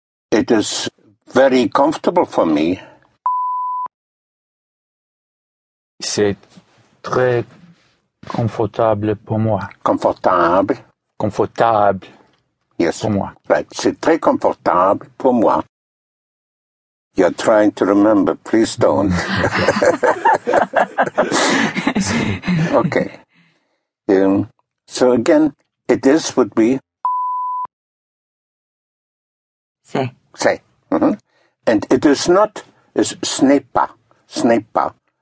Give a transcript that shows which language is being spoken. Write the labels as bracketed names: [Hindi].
[English] It is very comfortable for me. [French] C'est très confortable pour moi. Confortable. Confortable. [English] Yes. [French] Pour moi. [English] Right. [French] C'est très confortable pour moi. [English] You're trying to remember. Please don't. Okay. So again, it is would be... [French] C'est. C'est. [English] Mm-hmm. And it is not, is snepa. Snepa.